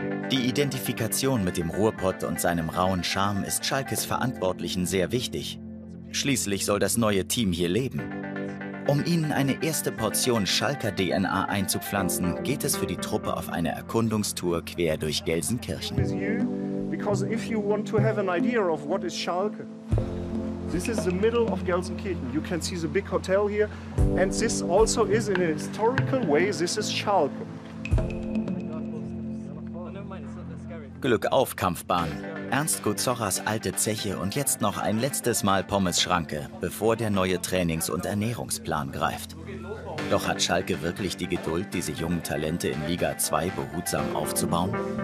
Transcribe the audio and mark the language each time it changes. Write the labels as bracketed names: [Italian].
[German] Die Identifikation mit dem Ruhrpott und seinem rauen Charme ist Schalkes Verantwortlichen sehr wichtig. Schließlich soll das neue Team hier leben. Um ihnen eine erste Portion Schalker DNA einzupflanzen, geht es für die Truppe auf eine Erkundungstour quer durch Gelsenkirchen. [English] Because if you want to have an idea of what is Schalke, this is the middle of Gelsenkirchen. You can see the big hotel here and this also is in a historical way, this is Schalke. [German] Glück auf, Kampfbahn. Ernst Gutzorras alte Zeche und jetzt noch ein letztes Mal Pommes-Schranke, bevor der neue Trainings- und Ernährungsplan greift. Doch hat Schalke wirklich die Geduld, diese jungen Talente in Liga 2 behutsam aufzubauen?